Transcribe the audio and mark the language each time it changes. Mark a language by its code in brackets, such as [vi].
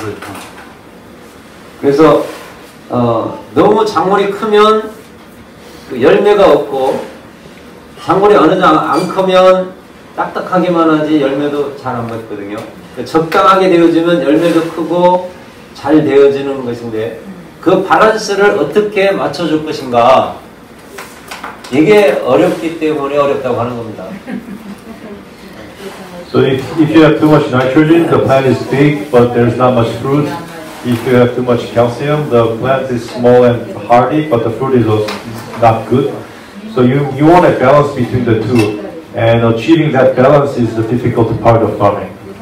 [zh] 跟鸡大便混合在一起，然后滋养在你的作物上，除了可以长得好，它结的实啊，它结的非常结实，因为它的蛋也有钙啊，同时提供了作物的养分啊。 [ko] 그래서 너무 작물이 크면 그 열매가 없고 작물이 어느 정도 안 크면 딱딱하기만 하지 열매도 잘 안 맺거든요. 적당하게 되어지면 열매도 크고 잘 되어지는 것인데 그 밸런스를 어떻게 맞춰줄 것인가 이게 어렵기 때문에 어렵다고 하는 겁니다. [en] So if you have too much nitrogen, the plant is big but there's not much fruit. If you have too much calcium, the plant is small and hardy but the fruit is not good. So you want a balance between the two. And achieving that balance is the difficult part of farming.